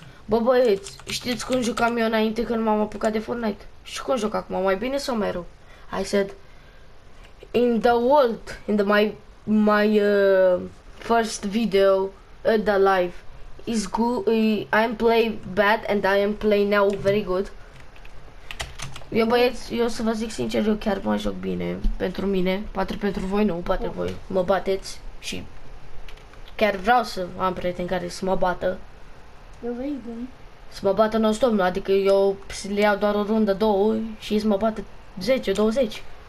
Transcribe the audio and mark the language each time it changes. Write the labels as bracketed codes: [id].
[ro] Bă, băieți, știți cum jucam eu înainte când m-am apucat de Fortnite? Și cum joc acum, mai bine sau mai rău? [en] I said, in the world, in the my first video, the live, is good, I'm play bad and I am play now very good. [ro] Eu, băieți, eu să vă zic sincer, eu chiar mă joc bine, pentru mine, poate pentru voi, nu, poate voi, mă bateți și... Chiar vreau să am prieteni care să mă bată. Eu vei bun. Să mă bată non-stop, adică eu le iau doar o rundă, două și să mă bată 10, 20.